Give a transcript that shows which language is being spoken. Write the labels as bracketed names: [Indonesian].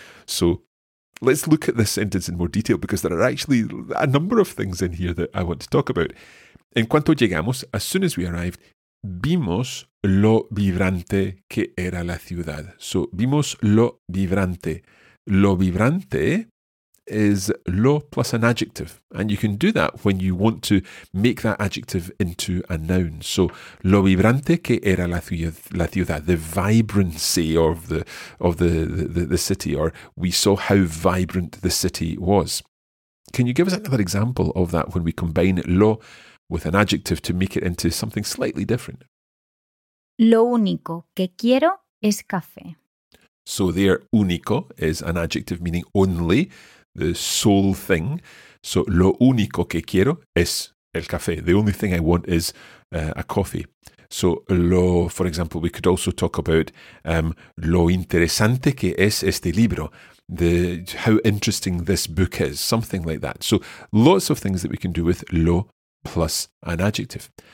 [English] So let's look at this sentence in more detail because there are actually a number of things in here that I want to talk about. [Spanish] En cuanto llegamos, [English] as soon as we arrived, [Spanish] vimos lo vibrante que era la ciudad. [English] So [Spanish] vimos lo vibrante. [English] Lo vibrante is lo plus an adjective. And you can do that when you want to make that adjective into a noun. So, [Spanish] lo vibrante que era la ciudad, [English] the vibrancy of the city, or we saw how vibrant the city was. Can you give us another example of that when we combine lo with an adjective to make it into something slightly different? [Spanish] Lo único que quiero es café. [English] So there, único is an adjective meaning only, the sole thing. [Spanish] So, lo único que quiero es el café. [English] The only thing I want is a coffee. So, lo, for example, we could also talk about [Spanish] lo interesante que es este libro. [English] The how interesting this book is. Something like that. So, lots of things that we can do with lo plus an adjective.